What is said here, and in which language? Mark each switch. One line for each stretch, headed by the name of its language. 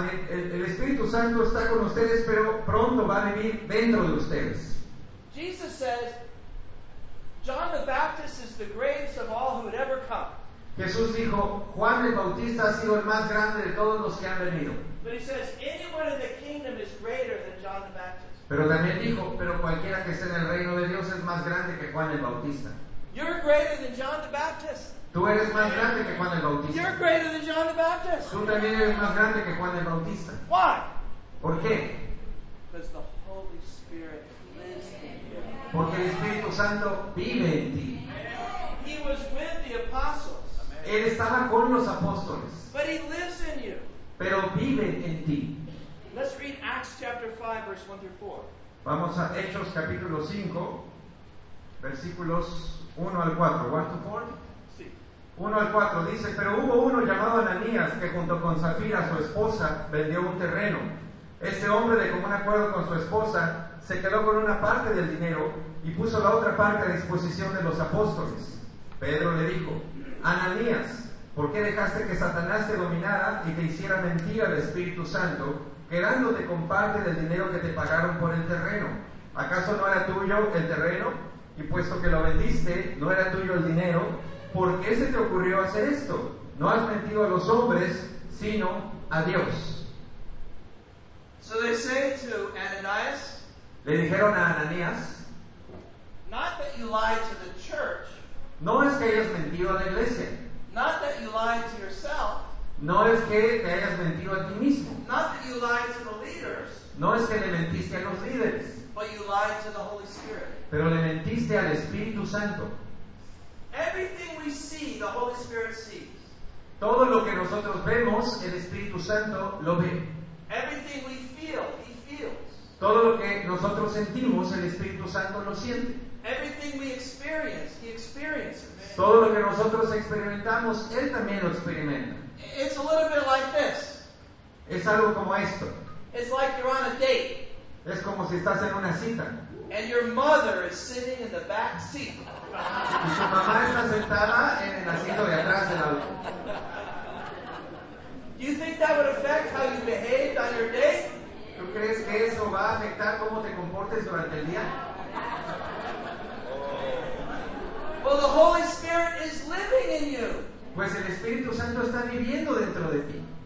Spanish: El Espíritu Santo está con ustedes, pero pronto va a vivir dentro de ustedes.
English: Jesus says, John the Baptist is the greatest of all who had ever come.
Spanish: Jesús dijo, Juan el Bautista ha sido el más grande de todos los que han venido.
English: But he says, anyone in the kingdom is greater than John the Baptist.
Spanish: Pero también dijo, pero cualquiera que esté en el reino de Dios es más grande que Juan el Bautista.
English: You're greater than John the Baptist.
Spanish: Tú eres más grande que Juan el Bautista.
English: You're greater than John the Baptist.
Spanish: Tú también eres más grande que Juan el Bautista.
English: Why?
Spanish: ¿Por qué?
English: Because the Holy Spirit lives in you.
Spanish: Porque el Espíritu Santo vive en ti.
English: He was with the apostles.
Spanish: Él estaba con los apóstoles.
English: But he lives in you.
Spanish: Pero vive en ti.
English: Let's read Acts chapter 5, verse 1 through 4.
Spanish: Vamos a Hechos capítulo 5, versículos 1 al 4.
English: 1 to 4?
Spanish: Sí. 1 al 4 dice, pero hubo uno llamado Ananías que junto con Safira, su esposa, vendió un terreno. Ese hombre, de común acuerdo con su esposa, se quedó con una parte del dinero y puso la otra parte a disposición de los apóstoles. Pedro le dijo, Ananías, ¿por qué dejaste que Satanás te dominara y te hiciera mentir al Espíritu Santo, quedándote con parte del dinero que te pagaron por el terreno? ¿Acaso no era tuyo el terreno? Y puesto que lo vendiste, ¿no era tuyo el dinero? ¿Por qué se te ocurrió hacer esto? No has mentido a los hombres, sino a Dios.
English: So they say to Ananias,
Spanish: le dijeron a Ananías,
English: not that you lied to the church,
Spanish: no es que hayas mentido a la iglesia,
English: not that you lied to yourself,
Spanish: no es que te hayas mentido a ti mismo,
English: not that you lied to the leaders,
Spanish: no es que le mentiste a los líderes,
English: but you lied to the Holy Spirit,
Spanish: pero le mentiste al Espíritu Santo.
English: Everything we see, the Holy Spirit sees.
Spanish: Todo lo que nosotros vemos, el Espíritu Santo lo ve.
English: Everything we feel, he feels.
Spanish: Todo lo que nosotros sentimos, el Espíritu Santo lo siente.
English: Everything we experience, he experiences.
Spanish: Todo lo que nosotros experimentamos, él también lo experimenta.
English: It's a little bit like this.
Spanish: Es algo como esto.
English: It's like you're on a date.
Spanish: Es como si estás en una cita.
English: And your mother is sitting in the back seat.
Spanish: Y su mamá está sentada en el asiento de atrás del auto.
English: Do you think that would affect how you behaved on your date?
Spanish: ¿Tú crees que eso va a afectar cómo te comportes durante el día?
English: Well, the Holy Spirit is living in you.
Spanish: Pues el Espíritu Santo está viviendo dentro de ti.